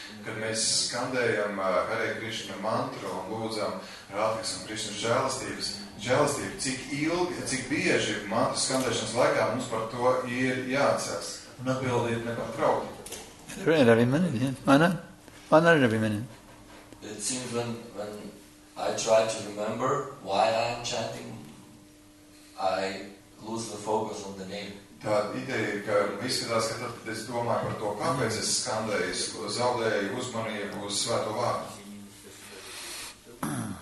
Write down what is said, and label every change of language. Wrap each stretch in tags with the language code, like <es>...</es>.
<lv>Kad mēs skandējam Hare Krishna mantru un lūdzam Rādhikas un Krishna žēlastības, žēlastība, cik ilgi, cik bieži mantru skandēšanas laikā mums par to ir jāatceras. Un atbildība nepārtraukta.</lv> <en>Every minute, yeah. Why not every minute? It seems when I try to remember why I am chanting, I lose the focus on the name.</en> <lv>Tā ideja ir, ka izskatās, ka tad es domāju par to, kāpēc es skandēju, zaudēju uzmanību uz svēto vārdu.</lv>